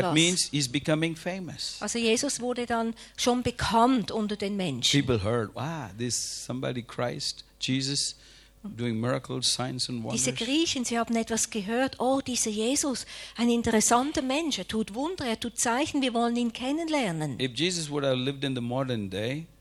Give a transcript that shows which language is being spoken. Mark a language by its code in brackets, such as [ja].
[en] That means he's becoming famous. [de] Also Jesus wurde dann schon bekannt unter den Menschen. [en] People heard, wow, this somebody Christ, Jesus, doing miracles, signs and wonders. [de] Diese Griechen, sie haben etwas gehört. Oh, dieser Jesus, ein interessanter Mensch. Er tut Wunder, er tut Zeichen, wir wollen ihn kennenlernen. [en] If Jesus would have lived in the modern day,